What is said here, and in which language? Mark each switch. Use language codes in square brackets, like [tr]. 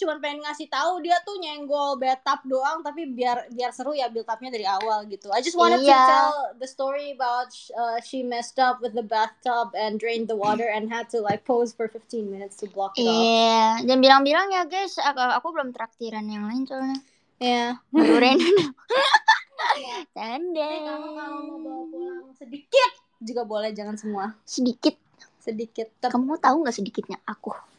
[id] Cuma pengen ngasih tahu dia tuh nyenggol bathtub doang, tapi biar seru ya build-upnya dari awal gitu. [en] I just wanted to tell the story about she messed up with the bathtub and drained the water and had to like pose for 15 minutes to block it off. [id] Iya, jangan bilang-bilang ya guys, aku belum traktiran yang lain soalnya. Iya. Ngurin. Tanda. Kamu mau bawa pulang sedikit juga boleh, jangan semua. Sedikit. Kamu tahu enggak sedikitnya aku?